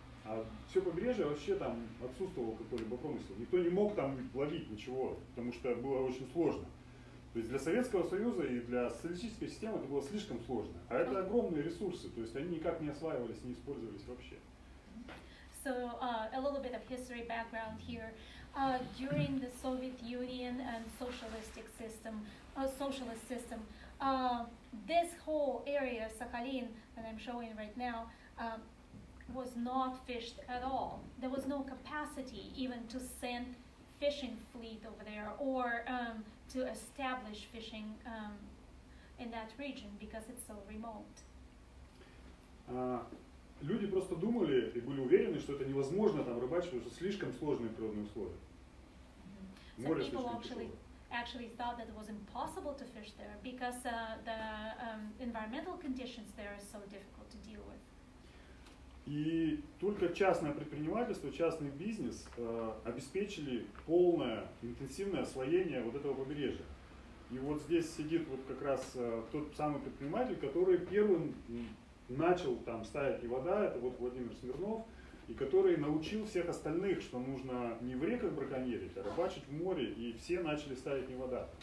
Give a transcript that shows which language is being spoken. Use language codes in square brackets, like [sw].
[ru] А все побережье вообще там отсутствовал какой-либо промысел. Никто не мог там ловить ничего, потому что было очень сложно. То есть для Советского Союза и для социалистической системы это было слишком сложно. А это огромные ресурсы, то есть они никак не осваивались, не использовались вообще. [en] So, a little bit of history background here. During the Soviet Union and socialist system, this whole area, Sakhalin, that I'm showing right now, was not fished at all. There was no capacity even to send fishing fleet over there or to establish fishing in that region because it's so remote. [ru] Люди просто думали и были уверены, что это невозможно там рыбачить, потому что слишком сложные природные условия. Mm-hmm. Море слишком тяжелое. [en] Actually thought that it was impossible to fish there because the environmental conditions there are so difficult to deal with. [ru] И только частное предпринимательство, частный бизнес обеспечили полное интенсивное освоение вот этого побережья. И вот здесь сидит вот как раз тот самый предприниматель, который первым начал там ставить и вода, это вот Владимир Смирнов, и который научил всех остальных, что нужно не в реках браконьерить, а рыбачить в море, и все начали ставить не вода.